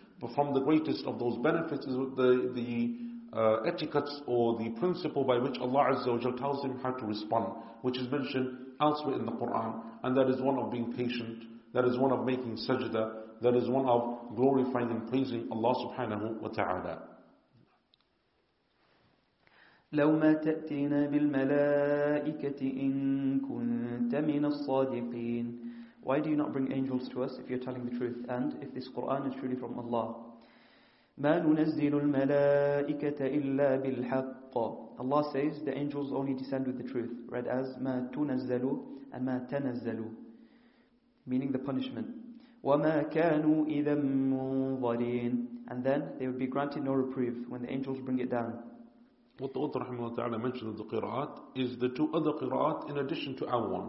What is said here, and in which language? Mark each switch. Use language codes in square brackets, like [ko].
[en] But from the greatest of those benefits is the etiquettes or the principle by which Allah Azza wa Jal tells him how to respond, which is mentioned elsewhere in the Quran, and that is one of being patient, that is one of making sajda, that is one of glorifying and praising Allah subhanahu wa ta'ala. [ar] لو ما تأتينا بالملائكة إن كنت من الصادقين. [en] Why do you not bring angels to us if you're telling the truth and if this Quran is truly from Allah? [ar] ما ننزل الملائكة إلا بالحق. [en] Allah says the angels only descend with the truth, read as ما تنزل and ما تنزل, meaning the punishment. [ar] وما كانوا إذا منظرين. [en] And then they would be granted no reprieve when the angels bring it down. What the author رحمه الله تعالى mentioned of the qira'at is the two other qira'at in addition to our one.